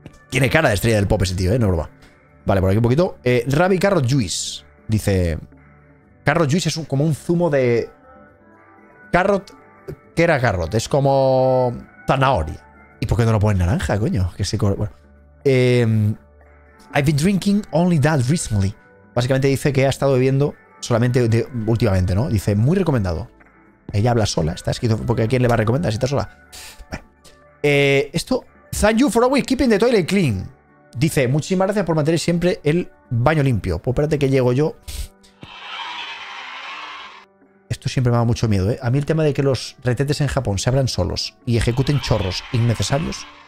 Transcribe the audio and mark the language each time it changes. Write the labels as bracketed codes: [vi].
[es] Tiene cara de estrella del pop ese tío, ¿eh? No broma. Vale, por aquí un poquito. Rabbi Carrot Juice. Dice. Carrot Juice es como un zumo de. Carrot. ¿Qué era carrot? Es como. Zanahoria. ¿Y por qué no lo ponen naranja, coño? Que se. Bueno. [en] I've been drinking only that recently. [es] Básicamente dice que ha estado bebiendo solamente de, últimamente, ¿no? Dice, muy recomendado. Ella habla sola. Está escrito. Porque ¿a quién le va a recomendar si está sola? Bueno. Esto. [en] Thank you for always keeping the toilet clean. [es] Dice, muchísimas gracias por mantener siempre el baño limpio. Pues espérate que llego yo. Esto siempre me da mucho miedo, ¿eh? A mí el tema de que los retetes en Japón se abran solos y ejecuten chorros innecesarios.